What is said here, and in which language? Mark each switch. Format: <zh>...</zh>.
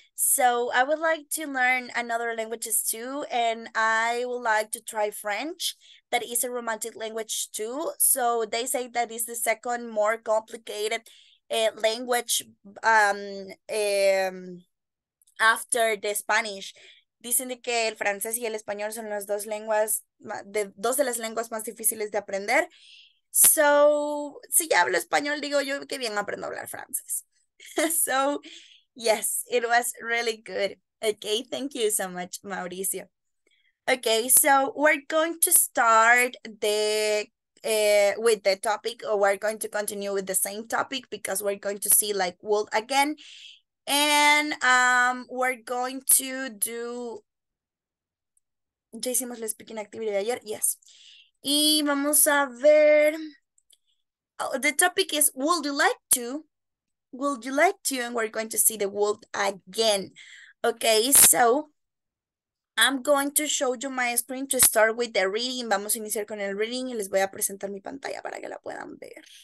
<en>So I would like to learn another languages too, and I would like to try French. That is a romantic language too. So they say that is the second more complicated language after the Spanish.</en> <es>Dicen de que el francés y el español son las dos lenguas, de dos de las lenguas más difíciles de aprender. So, si ya hablo español, digo yo que bien aprendo a hablar francés.</es> <en>So, yes, it was really good. Okay, thank you so much, Mauricio. Okay, so we're going to start with the topic, or we're going to continue with the same topic because we're going to see like world again. And we're going to do,</en> <es>ya hicimos la</es> <en>speaking activity de ayer, yes.</en> <es>Y vamos a ver,</es> <en>oh, the topic is, would you like to, and we're going to see the world again. Okay, so I'm going to show you my screen to start with the reading.</en> <es>Vamos a iniciar con el reading y les voy a presentar mi pantalla para que la puedan ver.</es>